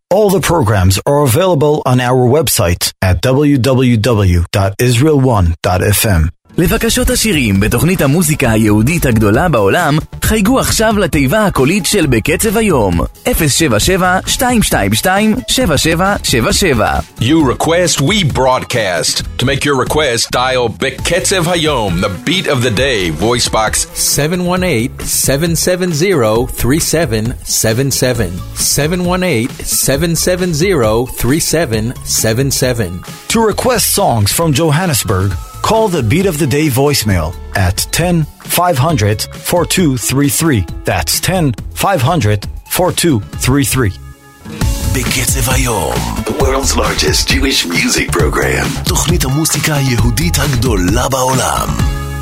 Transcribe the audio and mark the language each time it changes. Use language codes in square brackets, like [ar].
[en] All the programs are available on our website at www.israel1.fm. [he] לבקשות השירים בתוכנית המוזיקה היהודית הגדולה בעולם, חייגו עכשיו לתיבה הקולית של בקצב היום 077-222-7777. [en] You request, we broadcast. To make your request, dial בקצב היום, the beat of the day, voice box 718-770-3777, 718-770-3777. To request songs from Johannesburg, call the Beat of the Day voicemail at 10-500-4233. That's 10-500-4233. [he] בקצב היום, [en] the world's largest Jewish music program. [he] תוכנית המוסיקה היהודית הגדולה בעולם.